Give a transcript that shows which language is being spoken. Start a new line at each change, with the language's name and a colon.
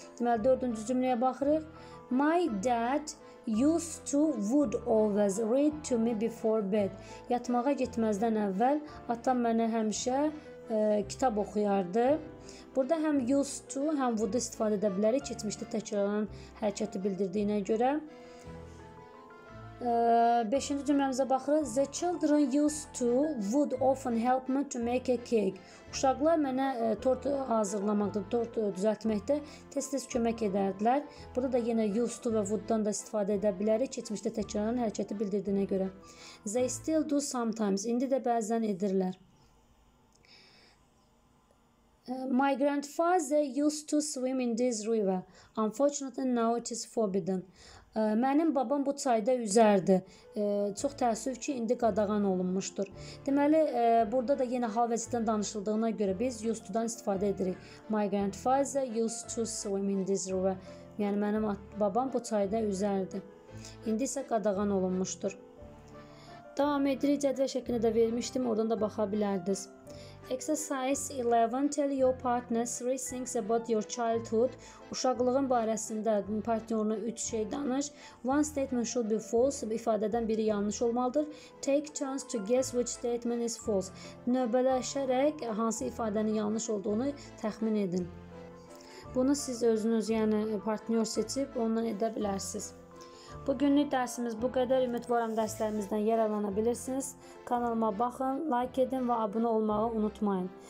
Azerbaijani: Deməli, dördüncü cümləyə baxırıq.
English: My dad used to would always read to me before bed.
Azerbaijani: Yatmağa getməzdən əvvəl atam mənə həmişə kitab oxuyardı. Burada həm used to, həm would istifadə edə bilərik, keçmişdə təkrarlanan hərəkəti bildirdiyinə görə. 5-ci cümləmizə baxırıq.
English: The children used to would often help me to make a cake.
Azerbaijani: Uşaqlar mənə tort hazırlamaqda, tort düzəltməkdə tez-tez kömək edərdilər. Burada da yenə used to və would-dan da istifadə edə bilərik, keçmişdə təkrarlanan hərəkəti bildirdiyinə görə.
English: They still do sometimes.
Azerbaijani: İndi də bəzən edirlər.
English: My grandfather used to swim in this river. Unfortunately, now it is forbidden.
Azerbaijani: Mənim babam bu çayda üzərdi. Çox təəssüf ki, indi qadağan olunmuşdur. Deməli, burada da yenə hal vəziyyətdən danışıldığına görə biz used to-dan istifadə edirik.
English: My grandfather used to swim in this river.
Azerbaijani: Yəni, mənim babam bu çayda üzərdi. İndi isə qadağan olunmuşdur. Davam edirik, cədvəl şəklini də vermişdim, oradan da baxa bilərdiniz.
English: Exercise 11. Tell your partner three things about your childhood.
Azerbaijani: Uşaqlığın barəsində partneruna 3 şey danış.
English: One statement should be false.
Azerbaijani: İfadədən biri yanlış olmalıdır.
English: Take turns to guess which statement is false.
Azerbaijani: Növbələşərək hansı ifadənin yanlış olduğunu təxmin edin. Bunu siz özünüz, yəni partner seçib ondan edə bilərsiniz. Bugünlük dərsimiz bu qədər. Ümidvaram dərslərimizdən yararlana bilirsiniz. Kanalıma baxın, like edin və abunə olmağı unutmayın.